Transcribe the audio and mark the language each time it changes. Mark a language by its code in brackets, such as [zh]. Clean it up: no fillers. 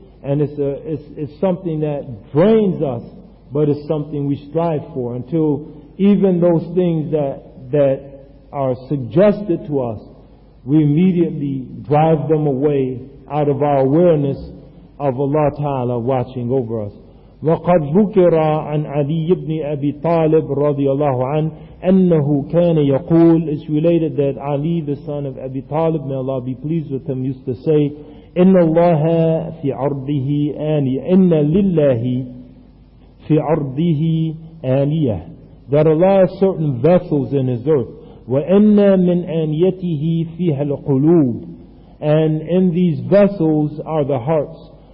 [en] And it's something that drains us, but it's something we strive for, until even those things that are suggested to us, we immediately drive them away out of our awareness of Allah Ta'ala watching over us. [ar] وَقَدْ ذُكِرَ عَنْ عَلِيِّ بْنِ أَبِي طَالِبٍ رَضِيَ اللَّهُ عَنْهُ أَنَّهُ كَانَ يَقُولُ. [en] It's related that Ali, the son of Abi Talib, may Allah be pleased with him, used to say, [ar] إِنَّ اللَّهَ فِي عَرْضِهِ آنِيَةٌ, [en] إِنَّ لِلَّهِ فِي عَرْضِهِ آنِيَةٌ, that Allah has certain vessels in His earth. [ar] وَإِنَّ مِنْ آنِيَتِهِ فِيهَا الْقُلُوبِ, [en] and in these vessels are the hearts.